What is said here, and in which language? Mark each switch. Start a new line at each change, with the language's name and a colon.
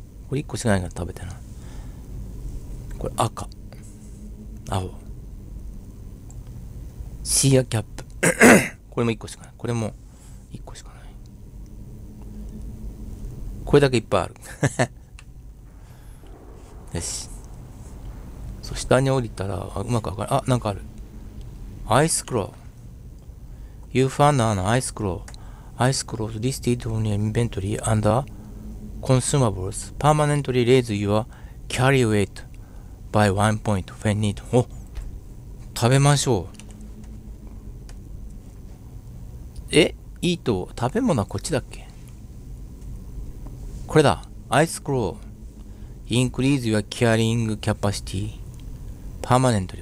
Japanese: これ1個しかないから食べてな。これ赤、青、シーアキャップ。これも1個しかない。これも1個しかない。これだけいっぱいある。よし。そう、下に降りたら、あ、うまく分かる。あ、なんかある。
English: アイスクロー。You found an ice crow. Ice crows listed on your inventory under consumables permanently raise your carry weight by one point when needed.
Japanese: お、食べましょう。え、いいと、食べ物はこっちだっけ。これだ。
English: Ice crow increase your carrying capacity permanently.